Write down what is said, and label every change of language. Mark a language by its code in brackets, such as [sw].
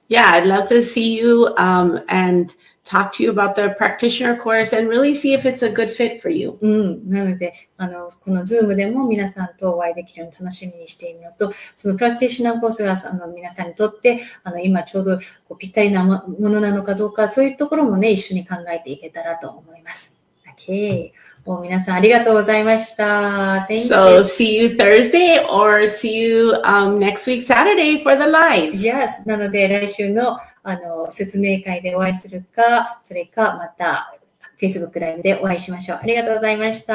[en] Yeah, I'd love to see you and talk to you about the practitioner course and really see if it's a good fit for you. [ja] なので、この Zoom でも皆さんとお会いできるように楽しみにしているのと、そのプラクティショナーコースが皆さんにとって今ちょうどぴったりなものなのかどうか、そういうところもね、一緒に考えていけたらと思います。 [en] Okay. [ja] もう皆さんありがとうございました。 [en] Thank you. So, see you Thursday or see you next week Saturday for the live. Yes. [ja] なので、来週の説明会でお会いするか、それかまた Facebook ライブでお会いしましょう。ありがとうございました。